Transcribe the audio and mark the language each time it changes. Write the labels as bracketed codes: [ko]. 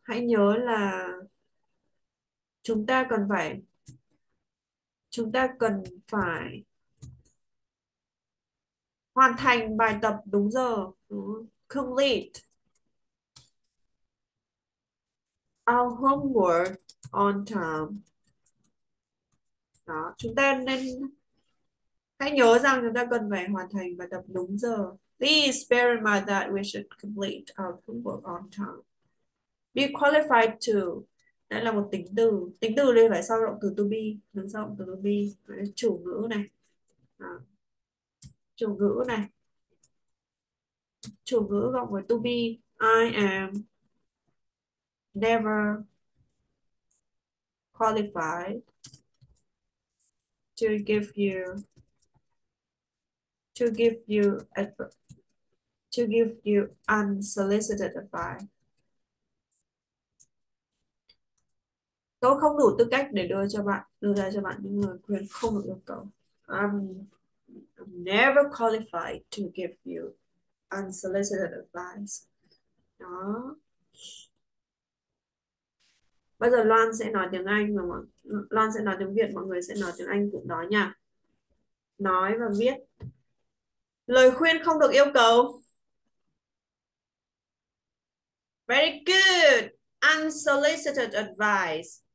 [vi] Hãy nhớ là chúng ta cần phải hoàn thành bài tập đúng giờ. Đúng không? [en] Complete our homework on time. [vi] Đó, chúng ta nên hãy nhớ rằng chúng ta cần phải hoàn thành bài tập đúng giờ. [en] Please bear in mind that we should complete our homework on time. Be qualified to. [vi] Đây là một tính từ. Tính từ đây phải sau động từ to be, đứng sau động từ to be. Đấy, chủ ngữ này. Đó. Chủ ngữ này. Chủ ngữ cộng với to be. [en] I am never qualified to give you unsolicited advice. [vi] Tôi không đủ tư cách để đưa ra cho bạn những lời khuyên không được yêu cầu. [en] I'm never qualified to give you unsolicited advice. [vi] Đó. Bây giờ Loan sẽ nói tiếng Anh và Loan sẽ nói tiếng Việt, mọi người sẽ nói tiếng Anh cũng đó nha. Nói và viết. Lời khuyên không được yêu cầu. [en] Very good. Unsolicited advice.